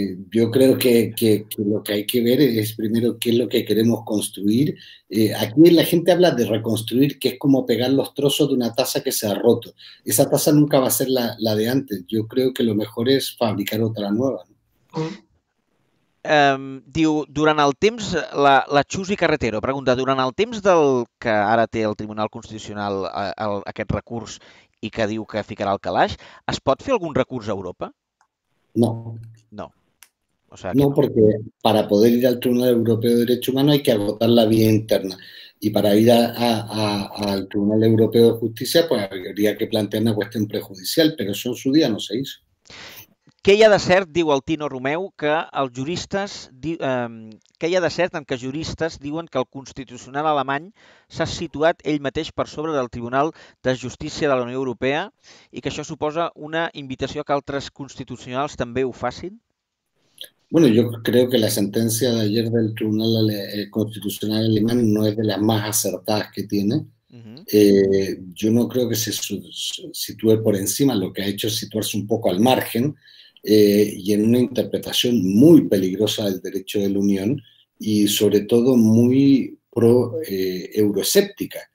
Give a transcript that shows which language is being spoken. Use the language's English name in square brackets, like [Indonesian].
[Spanish] Yo creo que lo que hay que ver es primero qué es lo que queremos construir. Aquí la gente habla de reconstruir, que es como pegar los trozos de una taza que se ha roto. Esa taza nunca va a ser la de antes. Yo creo que lo mejor es fabricar otra nueva. [Catalan] Diu, durant el temps, la Xusi Carretero pregunta, durant el temps del que ara té el Tribunal Constitucional aquest recurs i que diu que ficarà el calaix, es pot fer algun recurs a Europa? No. No. [Spanish] O sea, no, [Catalan] perquè per poder [Spanish] ir al Tribunal Europeu de Drets Humans hay que agotar la vía interna. Y para ir al Tribunal Europeu de Justícia, pues habría que plantear una cuestión prejudicial, pero eso en su día no se hizo. [Catalan] Què hi ha de cert, diu el Tino Romeu, que els juristes... Què hi ha de cert en què juristes diuen que el Constitucional alemany s'ha situat ell mateix per sobre del Tribunal de Justícia de la Unió Europea i que això suposa una invitació que altres constitucionals també ho facin? [Spanish] Bueno, yo creo que la sentencia de ayer del Tribunal Constitucional alemán no es de las más acertadas que tiene. Uh-huh. Yo no creo que se sitúe por encima, lo que ha hecho es situarse un poco al margen. Y en una interpretación muy peligrosa del derecho de la Unión y sobre todo muy pro euroescéptica.